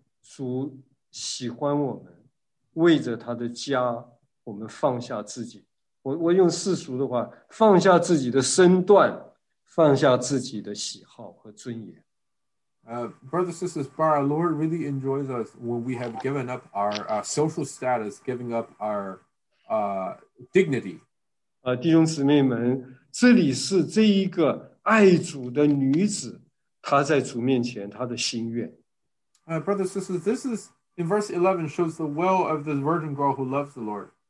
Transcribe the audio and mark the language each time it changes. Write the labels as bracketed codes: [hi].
[zh] 但是主喜欢我们, 为着他的家, 我们放下自己, 我用世俗的话, 放下自己的身段, 放下自己的喜好和尊严。 [en] Brothers, sisters, our Lord really enjoys us when we have given up our social status, giving up our dignity. [zh] 弟兄姊妹们, 这里是这一个爱主的女子, 她在主面前, 她的心愿。 [en] Brothers, sisters, this is in verse 11 shows the will of the virgin girl who loves the Lord.